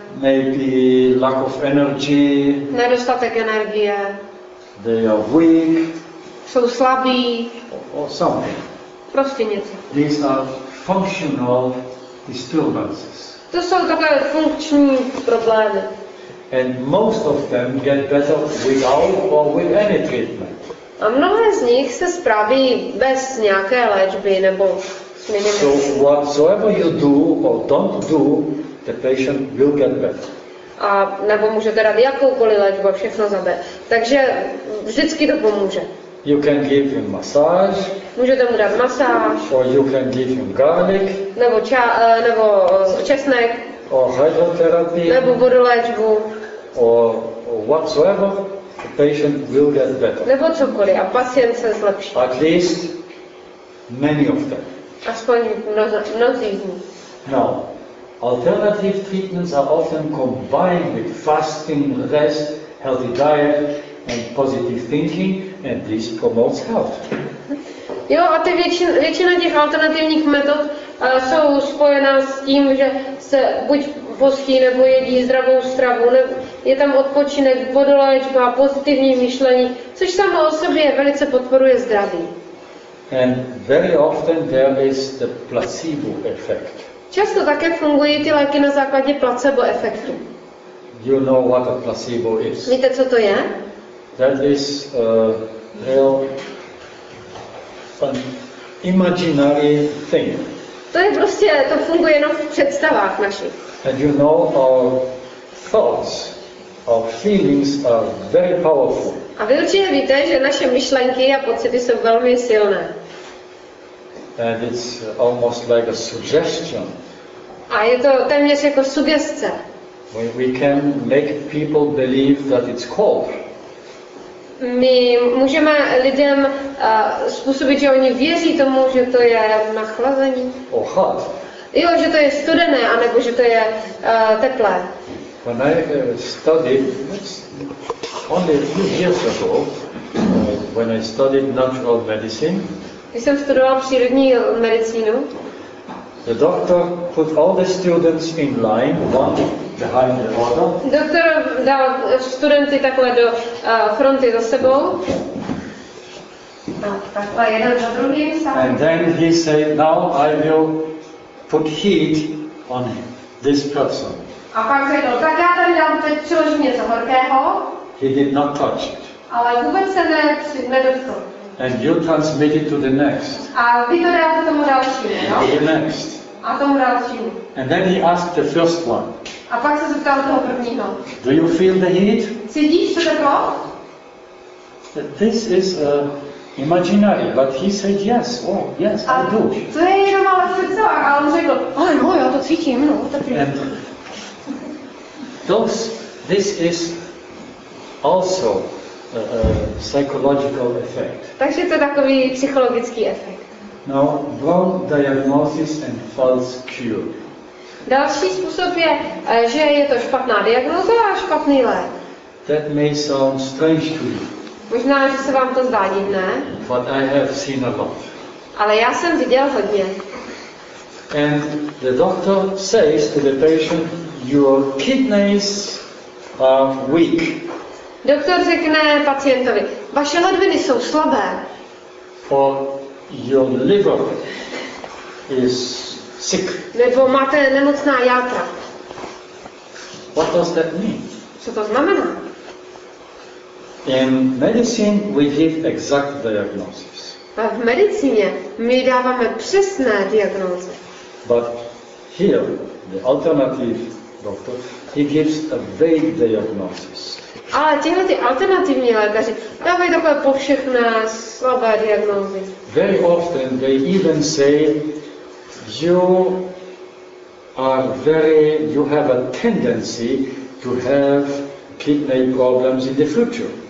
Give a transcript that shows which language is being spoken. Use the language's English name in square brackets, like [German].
[English] Maybe lack of energy. [Czech] Nedostatek energie. [English] They are weak. [Czech] Jsou slabí. [English] Or something. [Czech] prostě něco. [English] These are functional disturbances. [Czech] To jsou takové funkční problémy. [English] And most of them get better without or with any treatment. [Czech] A mnohé z nich se spraví bez nějaké léčby nebo s minimálním. [English] So whatsoever you do or don't do, the patient will get better. [Czech] A nebo můžete dát jakoukoliv léčbu, všechno zabe. Takže vždycky to pomůže. [English] You can give him massage. [Czech] Můžete mu dát masáž. [English] Or you can give him garlic. [Czech] Nebo česnek. [English] Or hydrotherapy. [Czech] Nebo vodoléčbu. [English] Or whatsoever, the patient will get better. [Czech] Nebo cokoliv, a pacient se zlepší. [English] At least many of them. [Czech] Aspoň mnozí z nich. [English] No. Alternative treatments are often combined with fasting, rest, healthy diet, and positive thinking, and this promotes health. [Czech] Jo, a ty většina těch alternativních metod jsou spojená s tím, že se buď postí nebo jedí zdravou stravu, nebo je tam odpočinek, vodoléčba, pozitivní myšlení, což samo o sobě velice podporuje zdraví. [English] And very often there is the placebo effect. [Czech] Často také fungují ty léky na základě placebo efektu. [English] You know what a placebo is. [Czech] Víte, co to je? [English] That is a real imaginary thing. [Czech] To je prostě, to funguje jenom v představách našich. [English] And you know our thoughts, our feelings are very powerful. [Czech] A vy určitě víte, že naše myšlenky a pocity jsou velmi silné. [English] And it's almost like a suggestion. [Czech] A je to téměř jako sugestce. [English] We can make people believe that it's cold. [Czech] My můžeme lidem způsobit, že oni věří tomu, že to je nachlazení. [English] Or hot. [Czech] Jo, že to je studené, anebo že to je teplé. [English] When I studied, only a few years ago, when I studied natural medicine, [Czech] když jsem studoval přírodní medicínu, [English] the doctor put all the students in line, one behind the other. [Czech] Doktor dal studenty takhle do fronty za sebou. Takhle jeden za druhým sám. [English] And then he said, now I will put heat on this person. [Czech] A pak řekl, tak já tady dám teď přiložím něco horkého. [English] He did not touch it. [Czech] Ale vůbec se nedotkl. [English] And you transmit it to the next. [Czech] A vy to dáte tomu dalšímu, [English] no? To the next. [Czech] A tomu dalšímu. [English] And then he asked the first one. [Czech] A pak se zeptal toho prvního. [English] Do you feel the heat? [Czech] Cítíš to teplo? [English] This is imaginary, but he said yes. Oh, yes, a I do. [Czech] To je jenom ale představák, ale on řekl, ano, já to cítím, no, to je. [English] This is also a psychological effect. [Czech] Takže to je takový psychologický efekt. [English] No, wrong diagnosis and false cure. [Czech] Další způsob je, že je to špatná diagnoza a špatný lék. [English] That may sound strange to you. [Czech] Možná, že se vám to zdá divné. [English] But I have seen a lot. [Czech] Ale já jsem viděl hodně. [English] And the doctor says to the patient, your kidneys are weak. [Czech] Doktor řekne pacientovi, vaše ledviny jsou slabé. [English] Or your liver is sick. [Czech] Nebo máte nemocná játra. [English] What does that mean? [Czech] Co to znamená? [English] In medicine we give exact diagnosis. [Czech] A v medicíně my dáváme přesné diagnózy. [English] But here, the alternative doctor, he gives a vague diagnosis. [Czech] Ale tyhle ty alternativní lékaři dávají takové povšechné slabé diagnózy. [English] Very often they even say you have a tendency to have kidney problems in the future.